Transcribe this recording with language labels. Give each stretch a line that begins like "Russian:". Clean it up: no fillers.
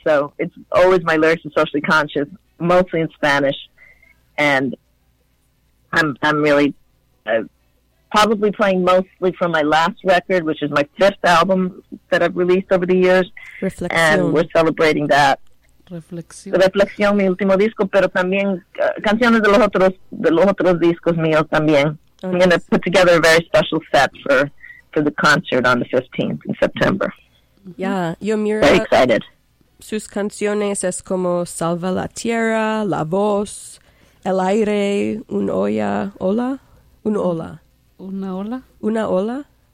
English: So it's always my lyrics are socially conscious, mostly in Spanish. And I'm really probably playing mostly from my last record, which is my fifth album that I've released over the years.
Spanish: Reflexión.
English: And we're celebrating that.
Spanish: Reflexión, mi último disco, pero también canciones de los otros discos míos también.
English: I'm going to put together a very special set for the concert on the 15th in September.
Spanish: Ya, yeah, yo miro sus canciones es como Salva la Tierra, La Voz, El Aire, Una Ola.